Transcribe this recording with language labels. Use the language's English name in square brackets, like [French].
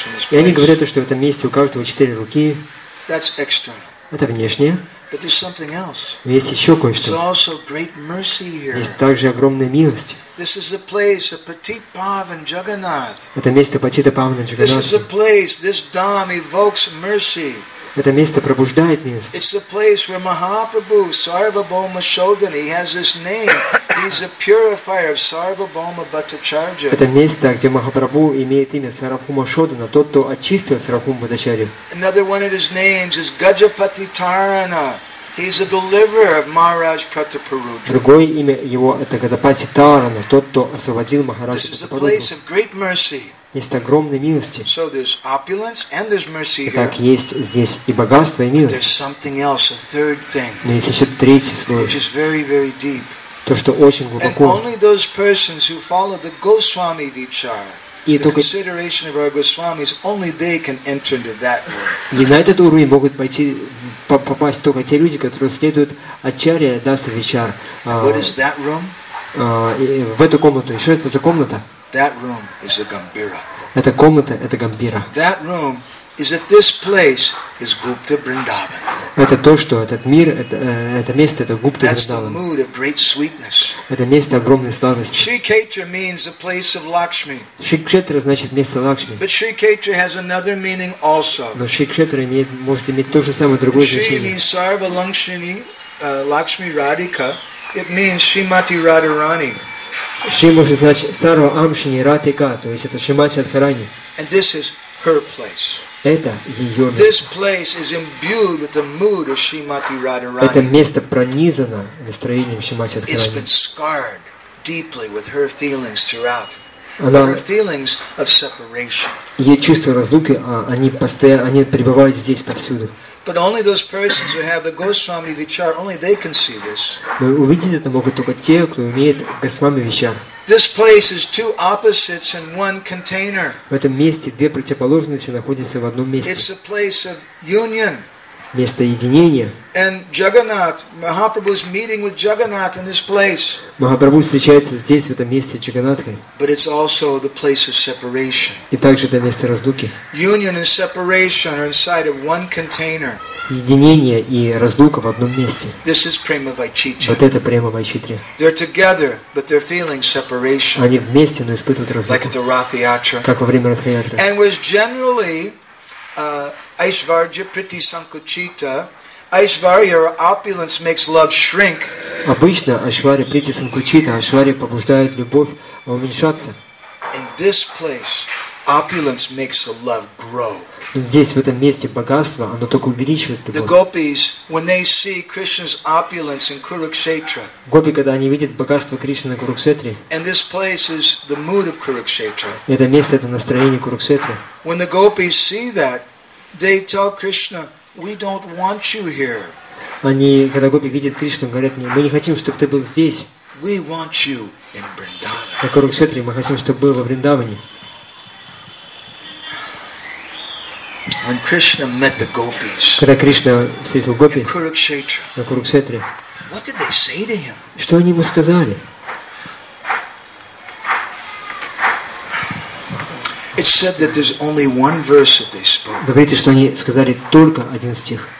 [Russian] И они говорят, что в этом месте у каждого четыре руки. Это внешнее. [English] But there's something else. [Russian] Но есть еще кое-что. [English] There's also great mercy here. [Russian] Есть также огромная милость. [English] This is the place of Patitpavan Jagannath. [Russian] Это место Патитапавана Джаганнатхи. [English] This is the place, this dham evokes mercy. [Russian] Это место пробуждает милость. [English] It's the place where Mahaprabhu Sarvabhauma Shodhan, he has this name. He's a purifier of Sarvabhauma Bhattacharya. [Russian] Это место, где Махапрабху имеет имя Сарвабхаума Шодхана, тот, кто очистил Сарвабхаума Бхаттачарью. [English] Another one of his names is Gajapati Tarana. He's a deliverer of Maharaj Prataparudra. [Russian] Другое имя его это Гадапати Тарана, тот, кто освободил Махараджа Пратапаруду. [English] This is a place of great mercy. [Russian] Есть огромные милости. [English] So there's opulence and there's mercy here. [Russian] Итак, есть здесь и богатство, и милость. [English] But there's something else, a third thing. [Russian] Но есть еще третий слой. [English] Which is very, very deep. [Russian] То, что очень глубоко. [English] And only those persons who follow the Goswami Vichar, the consideration of our Goswamis, only they can enter into that world. [Russian] И на этот уровень могут пойти попасть только те люди, которые следуют Ачарья Даса Вичар. [English] What is that room? [Russian] В эту комнату. И что это за комната? [English] That room is the Gambira. [Russian] Эта комната это Гамбира. [English] That room is at this place is Gupta Vrindavan. [Russian] Это то, что этот мир, это место это Гупта Вриндаван. [English] That's the mood of great sweetness. [Russian] Это место огромной сладости. [English] Shri Khetra means the place of Lakshmi. [Russian] Shri Khetra значит место Лакшми. [English] But Shri Khetra has another meaning also. [Russian] Но Shri Khetra имеет, может иметь то же самое другое значение. [English] Shri means Sarva Lakshmi, Lakshmi Radhika. It means Shrimati Radharani. [Russian] Шри может значить Сарва Амшини Ратика, то есть это Шримати Радхарани. [English] And this is her place. [Russian] Это ее место. [English] This place is imbued with the mood of Shrimati Radharani. [Russian] Это место пронизано настроением Шримати Радхарани. [English] It's been scarred deeply with her feelings throughout. [Russian] Она, [English] her feelings of separation. [Russian] Ее чувства разлуки, они пребывают здесь повсюду. [English] But only those persons who have the Goswami Vichar, only they can see this. [Russian] Но увидеть это могут только те, кто имеет Госвами Вичар. [English] This place is two opposites in one container. [Russian] В этом месте две противоположности находятся в одном месте. [English] It's a place of union. [Russian] Место единения. [English] And Jagannath, Mahaprabhu is meeting with Jagannath in this place. [Russian] Махапрабху встречается здесь в этом месте с Джаганнатхой. [English] But it's also the place of separation. [Russian] И также это место разлуки. [English] Union and separation are inside of one container. [Russian] Единение и разлука в одном месте. [English] This is prema vaichitya. [Russian] Вот это према вайчитри. [English] They're together, but they're feeling separation. [Russian] Они вместе, но испытывают разлуку. [English] Like at the Rath-yatra. [Russian] Как во время Рат-Ятры. [English] And was generally Aishvarya Priti Sankuchita. Aishvarya or opulence makes love shrink. [Russian] Обычно Aishvarya Priti Sankuchita, Aishvarya побуждает любовь уменьшаться. [English] In this place, opulence makes the love grow. [Russian] Но здесь, в этом месте богатства, оно только увеличивает любовь. [English] The gopis, when they see Krishna's opulence in Kurukshetra, [Russian] гопи, когда они видят богатство Кришны на Курукшетре, [English] and this place is the mood of Kurukshetra, [Russian] это место, это настроение Курукшетры, [English] when the gopis see that, they tell Krishna, we don't want you here. [Russian] Они, когда гопи видят Кришну, говорят мне, мы не хотим, чтобы ты был здесь. [English] We want you in Vrindavan. [Russian] На Курукшетре мы хотим, чтобы ты был во Вриндаване. [English] When Krishna met the gopis, [Russian] когда Кришна встретил гопи на Курукшетре, [English] what did they say to him? [Russian] Что они ему сказали? [English] It said that there's only one verse that they spoke. [Russian] Говорите, что они сказали только один стих.